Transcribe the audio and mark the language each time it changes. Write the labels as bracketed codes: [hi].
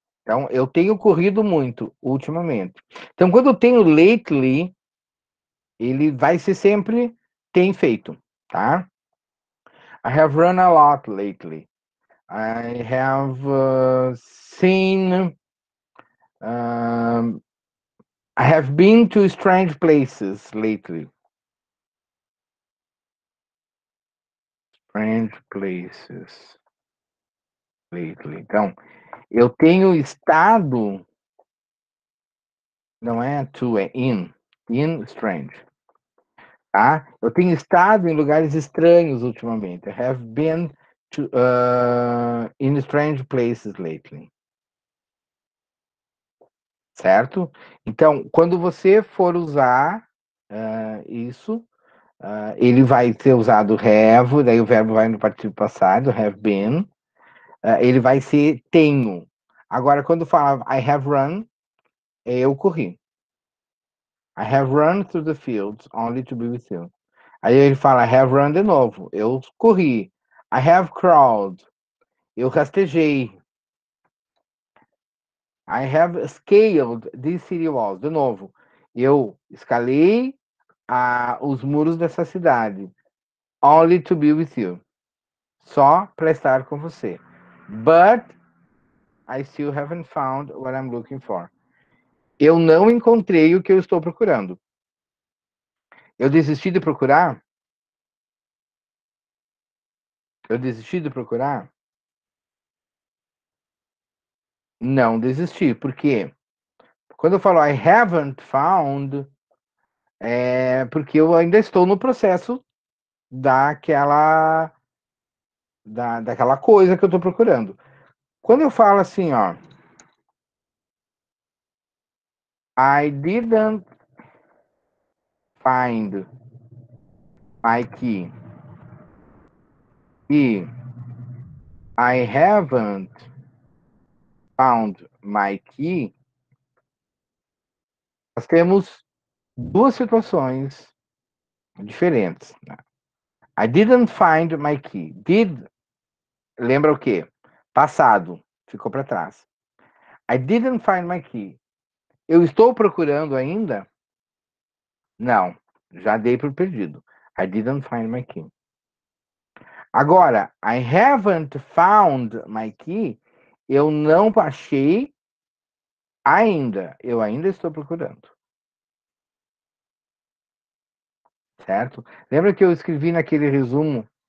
[pt] Então, eu tenho corrido muito ultimamente. Então, quando eu tenho lately, ele vai ser sempre tem feito, tá? [en] I have run a lot lately. I have seen, I have been to strange places lately. Strange places lately. [pt] Então, eu tenho estado, não é to, é in strange. Tá? Eu tenho estado em lugares estranhos ultimamente. [en] I have been to, in strange places lately. [pt] Certo? Então, quando você for usar isso, ele vai ser usado have, daí o verbo vai no partido passado, have been. Ele vai ser tenho. Agora, quando fala [en] I have run, [pt] é eu corri. [en] I have run through the fields only to be with you. [pt] Aí ele fala, [en] I have run [pt] de novo. Eu corri. [en] I have crawled. [pt] Eu rastejei. [en] I have scaled these city walls. [pt] De novo. Eu escalei os muros dessa cidade. [en] Only to be with you. [pt] Só para estar com você. [en] But I still haven't found what I'm looking for. [pt] Eu não encontrei o que eu estou procurando. Eu desisti de procurar? Eu desisti de procurar? Não desisti. Por quê? Quando eu falo [en] I haven't found, [pt] é porque eu ainda estou no processo daquela coisa que eu estou procurando. Quando eu falo assim, ó, [en] I didn't find my key. E I haven't found my key. [pt] Nós temos duas situações diferentes. [en] I didn't find my key. Did, [pt] lembra o quê? Passado, ficou para trás. [en] I didn't find my key. [pt] Eu estou procurando ainda? Não, já dei por perdido. [en] I didn't find my key. Agora, I haven't found my key. [pt] Eu não achei ainda. Eu ainda estou procurando. Certo? Lembra que eu escrevi naquele resumo?